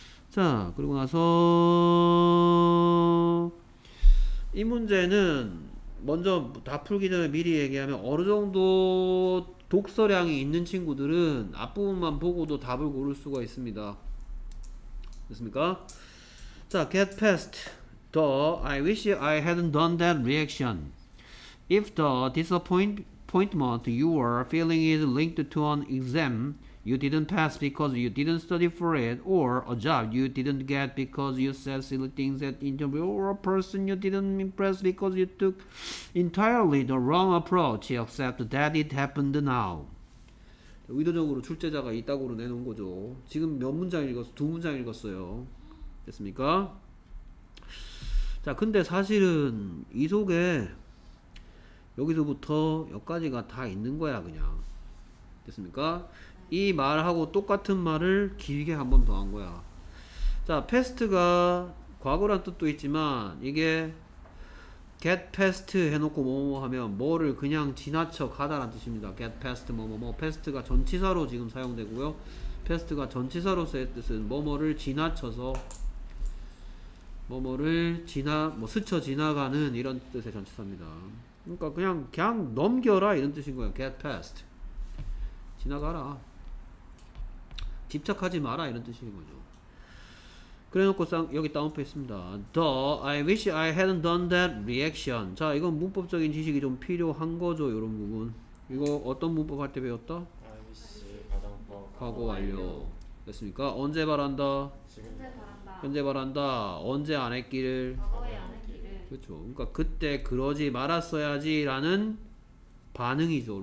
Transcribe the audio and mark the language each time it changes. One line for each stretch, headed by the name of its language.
Korean: 자, 그리고 나서 이 문제는 먼저 다 풀기 전에 미리 얘기하면, 어느 정도 독서량이 있는 친구들은 앞부분만 보고도 답을 고를 수가 있습니다. 됐습니까?
English: 자, get past the I wish I hadn't done that reaction. If the disappointment you were feeling is linked to an exam you didn't pass because you didn't study for it, or a job you didn't get because you said silly things at interview, or a person you didn't impress because you took entirely the wrong approach, except that it happened now.
Korean: 의도적으로 출제자가 이따구로 내놓은 거죠. 지금 몇 문장 읽었어? 두 문장 읽었어요. 됐습니까? 자, 근데 사실은 이 속에 여기서부터 여기까지가 다 있는 거야, 그냥. 됐습니까? 이 말하고 똑같은 말을 길게 한 번 더 한 거야. 자, past가 과거란 뜻도 있지만, 이게 get past 해놓고 뭐뭐 하면 뭐를 그냥 지나쳐 가다란 뜻입니다. get past 뭐뭐뭐. past가 전치사로 지금 사용되고요. past가 전치사로서의 뜻은 뭐뭐를 지나쳐서, 뭐뭐를 뭐 스쳐 지나가는 이런 뜻의 전치사입니다. 그러니까 그냥 넘겨라 이런 뜻인 거예요. get past. 지나가라. 집착하지 마라 이런 뜻인 거죠. 그래놓고 여기 다운표 있습니다.
English: The I wish I hadn't done that reaction.
Korean: 자, 이건 문법적인 지식이 좀 필요한 거죠. 이런 부분. 이거 어떤 문법 할 때 배웠다?
English: I wish
Korean: 과거 완료. 됐습니까? 언제 바란다? 현재 바란다. 언제 안 했기를? 과거에 안 했기를. 그렇죠. 그러니까 그때 그러지 말았어야지 라는 반응이죠.